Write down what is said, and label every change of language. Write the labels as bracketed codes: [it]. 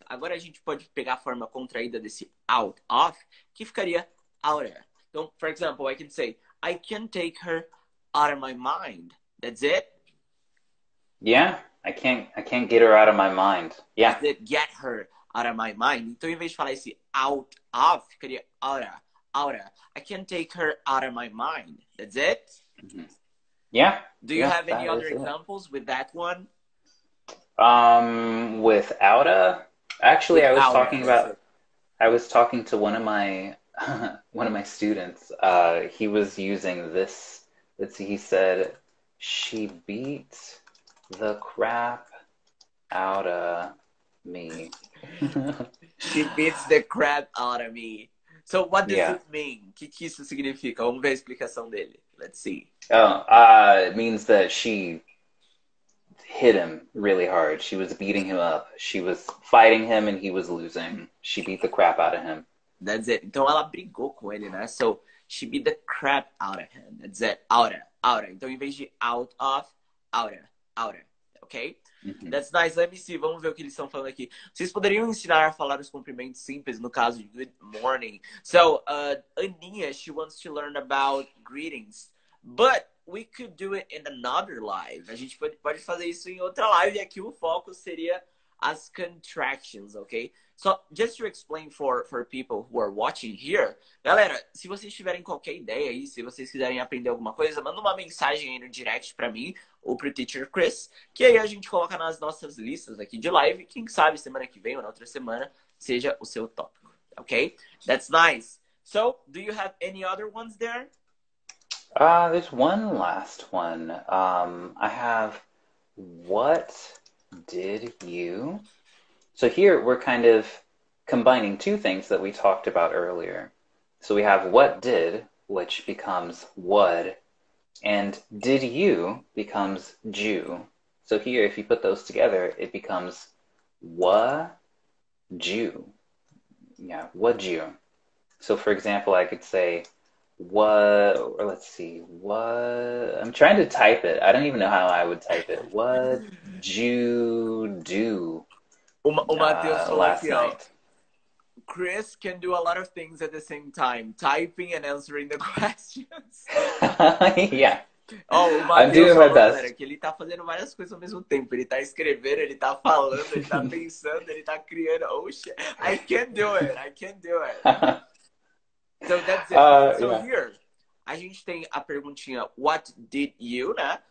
[pt] Agora a gente pode pegar a forma contraída desse out of, que ficaria out of. [en] Então, for example, I can say, I can't take her out of my mind. That's it? Yeah, I can't get her out of my mind. Yeah. That's it, get her out of my mind. [pt] Então, em vez de falar esse out of, ficaria out of. [en] Aura. I can't take her out of my mind. That's it? Mm-hmm. Yeah. Do you have any other examples with that one? With Aura? Actually, with I was Aura, talking about... It. I was talking to one of my students. He was using this... Let's see, he said, she beat the crap out of me. She beats the crap out of me. So what does it mean? [pt] Que isso significa? Vamos ver a explicação dele. [en] Let's see. It means that she hit him really hard. She was beating him up. She was fighting him and he was losing. She beat the crap out of him. That's it. [pt] Então ela brigou com ele, né? [en] So she beat the crap out of him. That's it. Aura. Aura. [pt] Então em vez de out of, [en] aura. Aura. Okay? That's nice. Let me see. [pt] Vamos ver o que eles estão falando aqui. Vocês poderiam ensinar a falar os cumprimentos simples, no caso de good morning. [en] So, Aninha, she wants to learn about greetings. But we could do it in another live. [pt] A gente pode fazer isso em outra live. E aqui o foco seria as contractions, ok? [en] So, just to explain for people who are watching here. [pt] Galera, se vocês tiverem qualquer ideia aí, se vocês quiserem aprender alguma coisa, manda uma mensagem aí no direct pra mim ou pro Teacher Chris, que aí a gente coloca nas nossas listas aqui de live. Quem sabe semana que vem ou na outra semana seja o seu tópico, ok? [en] That's nice. So, do you have any other ones there? There's one last one. I have what did you... So here we're kind of combining two things that we talked about earlier. So we have what did, which becomes would, And did you becomes Jew. So here, if you put those together, it becomes wa-Jew. Yeah, wa-Jew. So for example, I could say I'm trying to type it. I don't even know how I would type it. What you do last night? Chris can do a lot of things at the same time, typing and answering the questions. Yeah. Oh, I'm doing my best. [pt] Que ele tá fazendo várias coisas ao mesmo tempo. Ele tá escrevendo, ele tá falando, ele tá pensando, ele tá criando. [en] Oh, shit. I can't do it. So that's it. So yeah. [pt] Here, a gente tem a perguntinha, what did you, né?